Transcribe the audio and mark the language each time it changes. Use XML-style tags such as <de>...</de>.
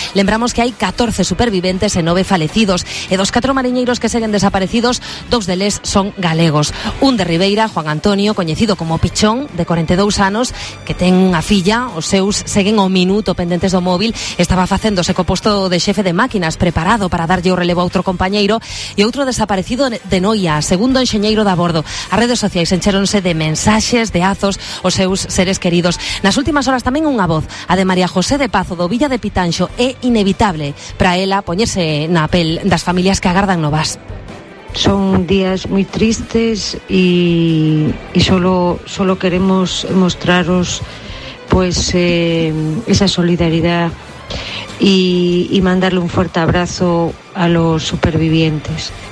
<gl>Lembramos que hay 14 supervivientes e 9 fallecidos. E dos 4 mariñeiros que siguen desaparecidos, dos deles son galegos. Un de Ribeira, Juan Antonio,</gl> <es>conocido como Pichón, de 42 años,</es> <gl>que ten unha filla, os seus seguen o minuto pendentes do móvil, estaba facéndose co posto de xefe de máquinas, preparado para darlle o relevo a outro compañeiro, e outro desaparecido de Noia, segundo enxeñeiro de a bordo. As redes sociais enchéronse de mensaxes, de azos, os seus seres queridos. Nas últimas horas tamén unha voz, a de María José de Pazo, do Villa de Pitanxo. É inevitable para ela poñerse na pel das familias que agardan novas. Son días moi tristes e solo queremos mostraros</gl> <es>pues, esa solidaridade y mandarle un fuerte abrazo a los supervivientes.</es>